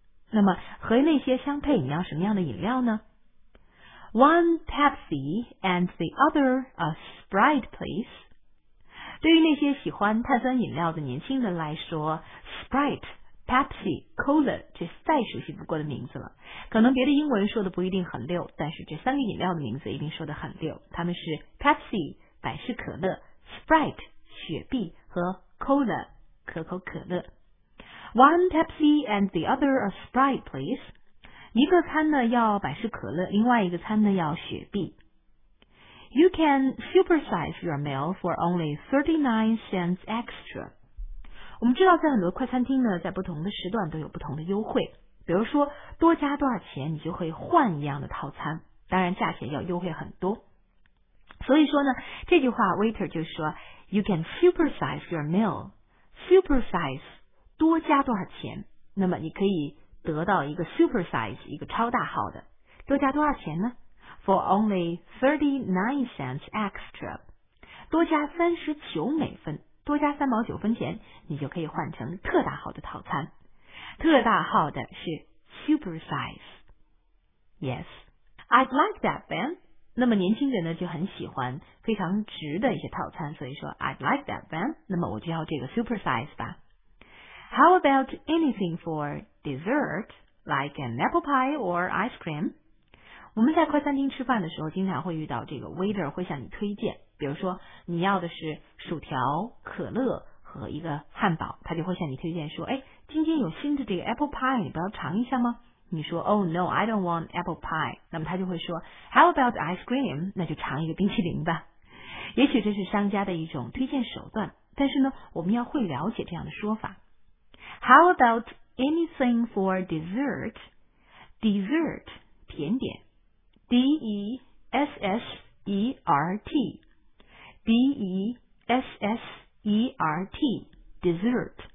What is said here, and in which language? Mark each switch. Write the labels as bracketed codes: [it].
[zh] 那么和那些相配你要什么样的饮料呢？ [en] One Pepsi and the other a Sprite please. [zh] 对于那些喜欢碳酸饮料的年轻人来说， Sprite、Pepsi、Cola 这再熟悉不过的名字了，可能别的英文说的不一定很溜，但是这三个饮料的名字一定说的很溜，他们是 Pepsi 百事可乐、 Sprite 雪碧和 Cola 可口可乐。 [en] One Pepsi and the other a Sprite please. [zh] 一个餐呢要百事可乐，另外一个餐呢要雪碧。 [en] You can supersize your meal for only 39 cents extra. [zh] 我们知道在很多快餐厅呢，在不同的时段都有不同的优惠，比如说多加多少钱你就会换一样的套餐，当然价钱要优惠很多。所以说呢这句话 waiter 就说 [en] You can supersize your meal. [zh] Supersize 多加多少钱，那么你可以得到一个 supersize 一个超大号的，多加多少钱呢？ [en] For only 39 cents extra. [zh] 多加39美分，多加三毛九分钱，你就可以换成特大号的套餐。特大号的是 [en] super size. Yes, I'd like that then. [zh] 那么年轻人呢就很喜欢非常值的一些套餐，所以说 [en] I'd like that then. [zh] 那么我就要这个 super size 吧。 [en] How about anything for dessert, like an apple pie or ice cream? [zh] 我们在快餐厅吃饭的时候，经常会遇到这个 waiter 会向你推荐。比如说你要的是薯条、可乐和一个汉堡，他就会向你推荐说，哎，今天有新的这个 apple pie, 你不要尝一下吗？你说 [en] Oh no, I don't want apple pie. [zh] 那么他就会说 [en] How about ice cream? [zh] 那就尝一个冰淇淋吧。也许这是商家的一种推荐手段，但是呢，我们要会了解这样的说法。 [en] How about anything for dessert? Dessert, 甜点。 D-E-S-S-E-R-T. D-E-S-S-E-R-T, dessert.